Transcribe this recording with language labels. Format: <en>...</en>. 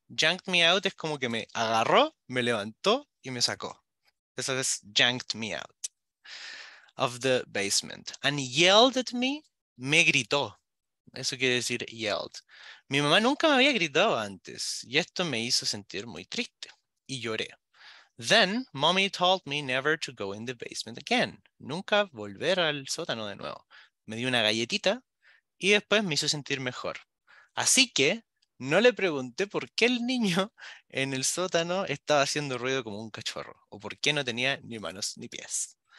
<en>Yanked me out</en> <es>es como que me agarró, me levantó y me sacó. Eso es</es> <en>yanked me out of the basement. And yelled at me,</en> <es>me gritó. Eso quiere decir yelled. Mi mamá nunca me había gritado antes y esto me hizo sentir muy triste y lloré.</es> <en>Then mommy told me never to go in the basement again.</en> <es>Nunca volver al sótano de nuevo. Me dio una galletita y después me hizo sentir mejor. Así que no le pregunté por qué el niño en el sótano estaba haciendo ruido como un cachorro o por qué no tenía ni manos ni pies.</es>